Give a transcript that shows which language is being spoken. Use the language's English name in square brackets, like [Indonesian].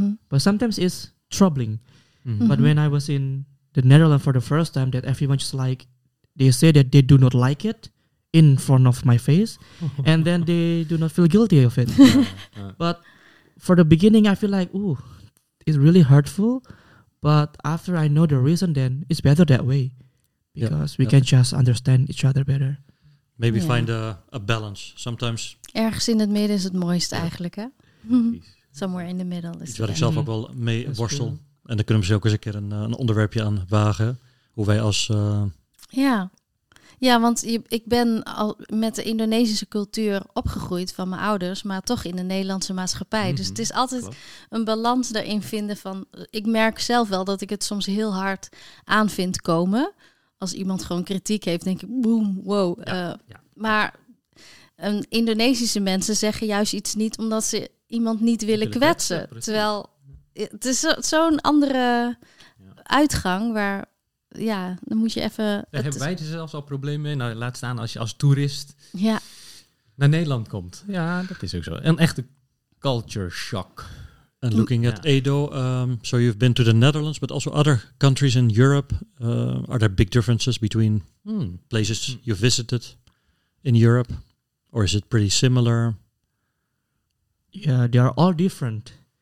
[English] But sometimes it's troubling. But when I was in the Netherlands for the first time, that everyone just like, they say that they do not like it in front of my face, and then they do not feel guilty of it. But for the beginning, I feel like, ooh, it's really hurtful. But after I know the reason, then it's better that way. Because we can just understand each other better. Maybe find a balance sometimes. [Dutch] Ergens in het midden is het mooiste eigenlijk, hè? [English] Somewhere in the middle. [Dutch] Iets waar ik zelf ook wel mee worstel. Cool. En dan kunnen we ze ook eens een keer een onderwerpje aan wagen. Hoe wij als... Ja, want ik ben al met de Indonesische cultuur opgegroeid van mijn ouders, maar toch in de Nederlandse maatschappij. Mm-hmm. Dus het is altijd een balans daarin vinden van... Ik merk zelf wel dat ik het soms heel hard aan vind komen. Als iemand gewoon kritiek heeft, denk ik, boom, wow. Maar Indonesische mensen zeggen juist iets niet omdat ze iemand niet willen kwetsen. Ja, terwijl het is zo'n andere uitgang waar... Ja, dan moet je even... Daar hebben wij er zelfs al problemen mee. Nou, laat staan als je als toerist naar Nederland komt. Ja, dat is ook zo. Een echte culture shock. [English] And looking at Edo, so you've been to the Netherlands, but also other countries in Europe. Are there big differences between places you visited in Europe? Or is it pretty similar? Yeah, they are all different.